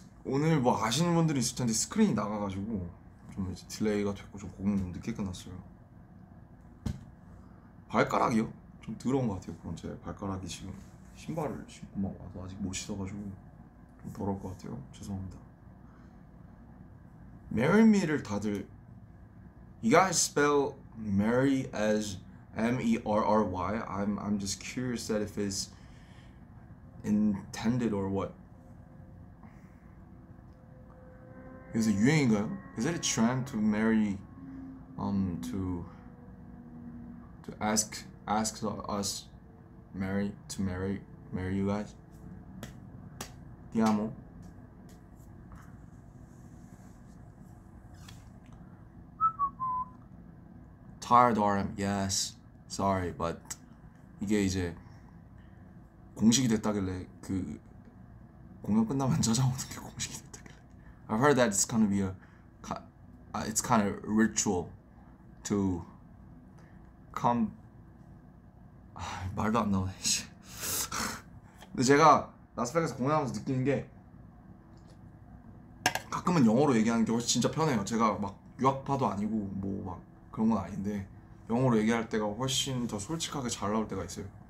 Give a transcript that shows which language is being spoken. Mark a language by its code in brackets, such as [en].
[ko] 오늘 뭐 아시는 분들이 있을 텐데 스크린이 나가가지고 좀 이제 딜레이가 됐고 좀 공연 좀 늦게 끝났어요. 발가락이요? 좀 더러운 것 같아요. 그럼 제 발가락이 지금 신발을 신고 막 와서 아직 못 씻어가지고 좀 더러울 것 같아요. 죄송합니다. Marry me를 다들 [en] You guys spell marry as merry? I'm just curious that if it's intended or what. [ko] 요새 유행인가요? [en] Is it a trend to marry, to ask us marry you guys? Ti amo. [ko] 타이어드 RM, [en] yes. Sorry, but [ko] 이게 이제 공식이 됐다길래 그 공연 끝나면 찾아오는 게 공식이. [en] I've heard that it's kind of ritual to come. [ko] 아, 말도 안 나오네. 근데 제가 라스베가스 공연하면서 느끼는 게 가끔은 영어로 얘기하는 게 훨씬 진짜 편해요. 제가 막 유학파도 아니고 뭐막 그런 건 아닌데 영어로 얘기할 때가 훨씬 더 솔직하게 잘 나올 때가 있어요.